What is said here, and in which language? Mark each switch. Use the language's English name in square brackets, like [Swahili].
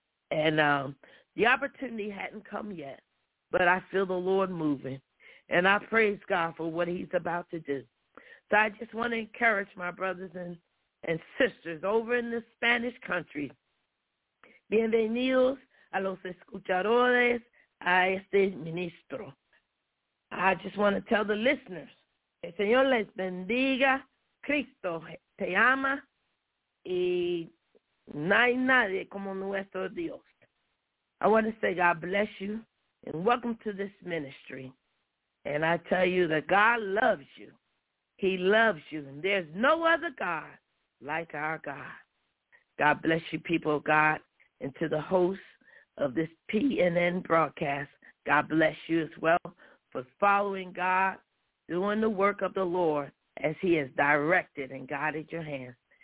[English] And the opportunity hadn't come yet, but I feel the Lord moving, and I praise God for what he's about to do. So I just want to encourage my brothers and sisters over in the Spanish country. [Spanish] Bienvenidos a los escuchadores a este ministro. [English] I just want to tell the listeners, [Spanish] el Señor les bendiga, Cristo te ama, y no hay nadie como nuestro Dios. [English] I want to say God bless you and welcome to this ministry. And I tell you that God loves you. He loves you, and there's no other God like our God. God bless you, people of God, and to the hosts of this PNN broadcast, God bless you as well for following God, doing the work of the Lord as he has directed and guided your hand.